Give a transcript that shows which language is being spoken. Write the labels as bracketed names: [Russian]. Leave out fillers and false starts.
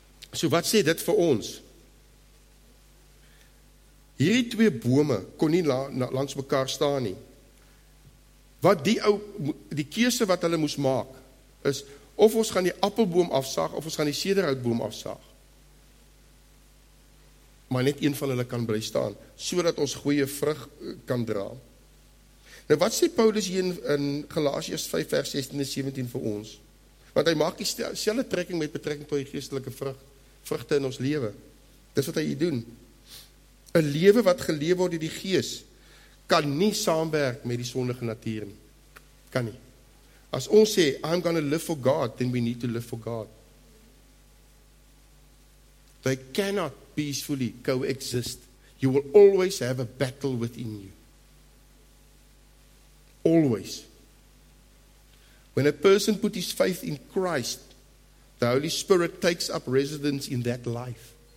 [Afrikaans] So wat sê dit vir ons? Hierdie twee bome kon nie langs mekaar staan nie. Wat die ou, die keuse wat hulle moes maak, is of ons gaan die appelboom afsaag, of ons gaan die sederhoutboom afsaag. maar net een van hulle kan bly staan, sodat ons goeie vrug kan dra. Nou wat sê Paulus hier in Galasiërs 5 vers 16 en 17 vir ons? Want hy maak die selfde trekking met betrekking tot die geestelike vrugte in ons lewe. Dis wat hy hier doen. 'N lewe wat geleef word deur die gees, kan nie saamwerk met die sondige natuur nie. Kan nie. As ons sê, [English] I'm going to live for God, then we need to live for God. They cannot peacefully coexist. You will always have a battle within you. Always. When a person puts his faith in Christ, the Holy Spirit takes up residence in that life.